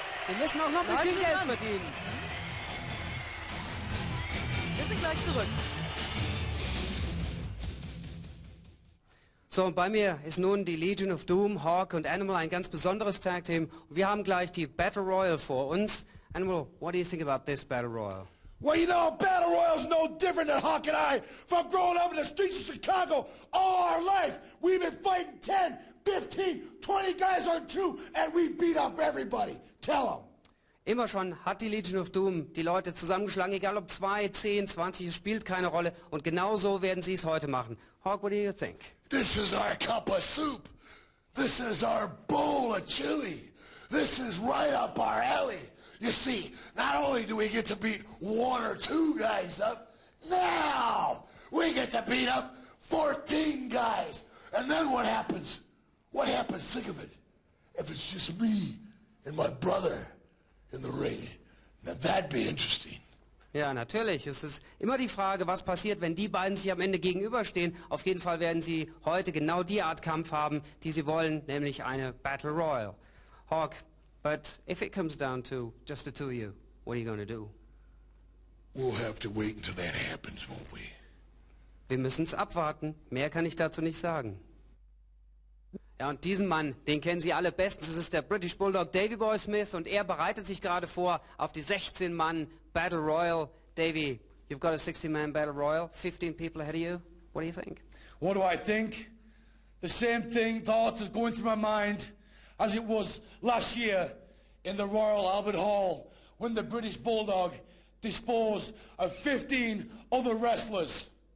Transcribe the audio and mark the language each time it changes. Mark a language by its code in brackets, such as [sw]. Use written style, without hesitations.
[de] Wir müssen auch noch ein bisschen Geld verdienen. Wir sind gleich zurück. So, und bei mir ist nun die Legion of Doom, Hawk und Animal, ein ganz besonderes Tag Team. Wir haben gleich die Battle Royale vor uns. [en] Animal, what do you think about this Battle Royale? Well, you know, Battle Royale is no different than Hawk and I. From growing up in the streets of Chicago all our life, we've been fighting 10, 15, 20 guys on two, and we beat up everybody. Tell them. [de] Immer schon hat die Legion of Doom die Leute zusammengeschlagen, egal ob 2, 10, 20, es spielt keine Rolle. Und genau so werden sie es heute machen. [en] Hawk, what do you think? This is our cup of soup. This is our bowl of chili. This is right up our alley. You see, not only do we get to beat one or two guys up, now we get to beat up 14 guys. And then what happens? What happens, think of it, if it's just me and my brother in the ring? Now that'd be interesting. [de] Ja, natürlich. Es ist immer die Frage, was passiert, wenn die beiden sich am Ende gegenüberstehen. Auf jeden Fall werden sie heute genau die Art Kampf haben, die sie wollen, nämlich eine Battle Royale. [en] Hawk, but if it comes down to just the two of you, what are you going to do? We'll have to wait until that happens, won't we? [de] Wir müssen es abwarten. Mehr kann ich dazu nicht sagen. Ja, und diesen Mann, den kennen Sie alle bestens. Es ist der British Bulldog Davey Boy Smith und er bereitet sich gerade vor auf die 16 Mann Battle Royal. [en] Davey, you've got a 16-man Battle Royal, 15 people ahead of you. What do you think? What do I think? The same thing, thoughts are going through my mind as it was last year in the Royal Albert Hall when the British Bulldog disposed of 15 other wrestlers.